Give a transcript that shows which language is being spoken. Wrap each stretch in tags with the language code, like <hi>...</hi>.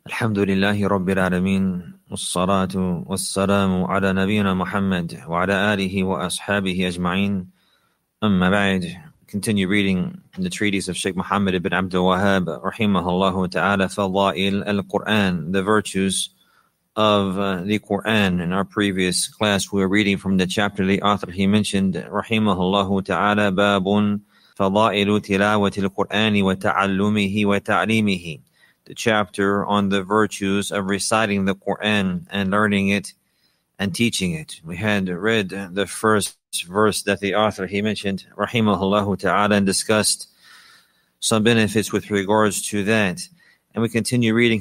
<ar>الحمد لله رب العالمين، والصلاة والسلام على نبينا محمد وعلى آله وأصحابه أجمعين. أما بعد،</ar> <en>continue reading the treatise of Sheikh Muhammad ibn Abdul Wahhab</en> <ar>رحمه الله تعالى. فضائل القرآن,</ar> <en>the virtues of the Quran. In our previous class, we were reading from the chapter the author he mentioned</en> <ar>رحمه الله تعالى. باب فضائل تلاوة القرآن وتعلمه وتعليمه.</ar> <en>The chapter on the virtues of reciting the Quran and learning it and teaching it. We had read the first verse that the author he mentioned, rahimahullah ta'ala, and discussed some benefits with regards to that. And we continue reading.</en>